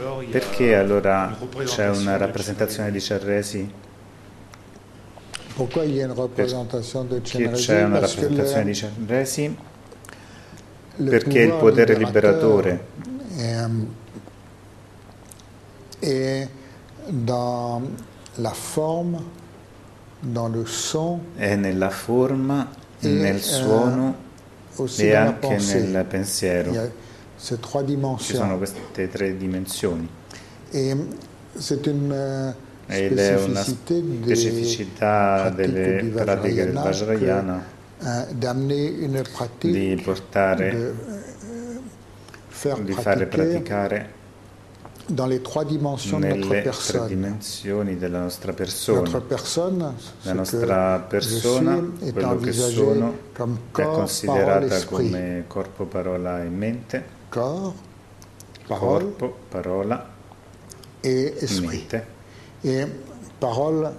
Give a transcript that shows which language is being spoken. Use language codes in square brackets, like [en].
[it] Perché allora c'è una rappresentazione di Cerresi? [fr] Pourquoi il y a une représentation de Cerresi? [it] Perché c'è una rappresentazione di Cerresi? Perché il potere liberatore. [fr] Et dans la forme, dans le son, [it] è nella forma, nel suono e anche nel pensiero. [fr] Ces trois dimensions. [it] Ci sono queste tre dimensioni. [fr] Et c'est une [it] ed è una specificità delle pratiche del Vajrayana [fr] d'amener une pratique, [it] di portare, di fare praticare [fr] dans les trois dimensions de notre personne. [it] Tre dimensioni della nostra persona. [fr] Notre personne, [it] la nostra persona, quello che sono, [fr] comme [it] corps, è considerata come corpo, parola e mente. [fr] Corps, [it] corpo, parola e mente. E parola,